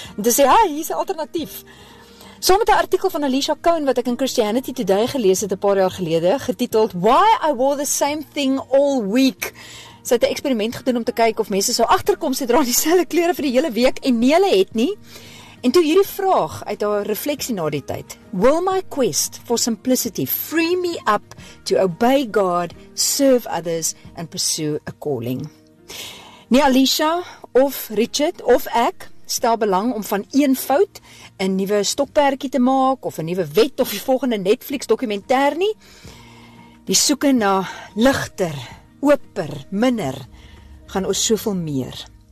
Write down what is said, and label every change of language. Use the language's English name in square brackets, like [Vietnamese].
[Afrikaans] En te sê, "Hey, hier's 'n alternatief." So met 'n artikel van Alicia Cohen wat ek in Christianity Today gelees het 'n paar jaar gelede, getiteld [English] Why I Wore the Same Thing All Week. [Afrikaans] Sy het 'n eksperiment gedoen om te kyk of mense sou agterkom sy dra dieselfde klere vir die hele week en nie hulle het nie. En toe hierdie vraag uit haar refleksie na die tyd. [English] Will my quest for simplicity free me up to obey God, serve others and pursue a calling? [Afrikaans] Nie Alicia of Richard of ek stel belang om van een fout 'n nuwe stokperdjie te maak of 'n nuwe wet of die volgende Netflix dokumentêr nie. Die soeke na ligter, ooper, minder gaan ons soveel meer.